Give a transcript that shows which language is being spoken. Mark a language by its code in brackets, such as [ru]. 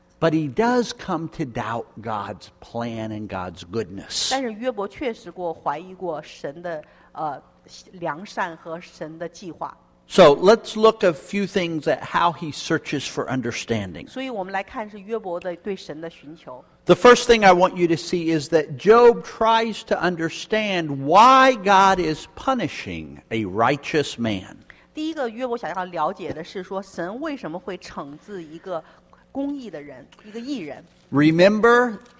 [en] But he does come to doubt God's plan and God's goodness. [zh] 但是约伯确实过怀疑过神的良善和神的计划。 [en] So let's look a few things at how he searches for understanding. The first thing I want you to see is that Job tries to understand why God is punishing a righteous man. Remember,